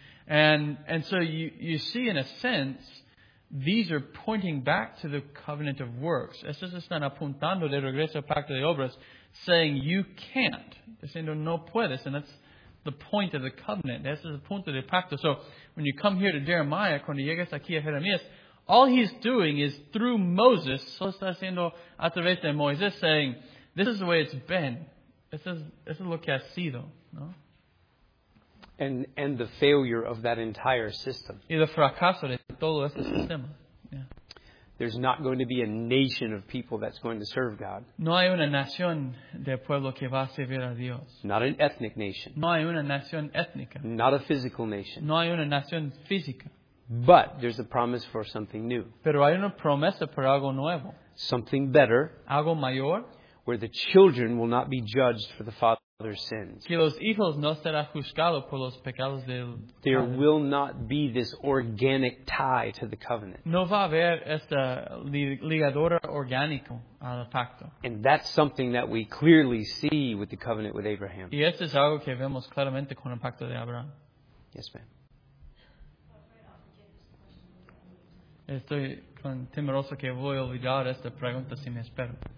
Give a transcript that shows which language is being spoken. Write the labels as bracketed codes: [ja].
[en] And so you see in a sense these are pointing back to the covenant of works. [es] Estos están apuntando de regreso al pacto de obras. [en] Saying you can't, [es] diciendo no puedes, [en] and that's the point of the covenant. That's the point of the pacto. So when you come here to Jeremiah, [es] cuando llegas aquí a Jeremías, [en] all he's doing is through Moses, [es] solo está haciendo a través de Moisés, [en] saying this is the way it's been. This is [es] lo que ha sido, no? [en] And the failure of that entire system. [es] Y el fracaso de todo ese sistema. [en] There's not going to be a nation of people that's going to serve God. [es] No hay una nación de pueblo que va a servir a Dios. [en] Not an ethnic nation. [es] No hay una nación étnica. [en] Not a physical nation. [es] No hay una nación física. [en] But there's a promise for something new. [es] Pero hay una promesa por algo nuevo. [en] Something better. [es] Algo mayor. [en] Where the children will not be judged for the father's sins. [es] Que los hijos no serán juzgados por los pecados del padre. [en] There will not be this organic tie to the covenant. [es] No va a haber esta ligadura orgánica al pacto. [en] And that's something that we clearly see with the covenant with Abraham. [es] Y esto es algo que vemos claramente con el pacto de Abraham. [en] Yes, ma'am. [es] Estoy tan temeroso que voy a olvidar esta pregunta si me espero.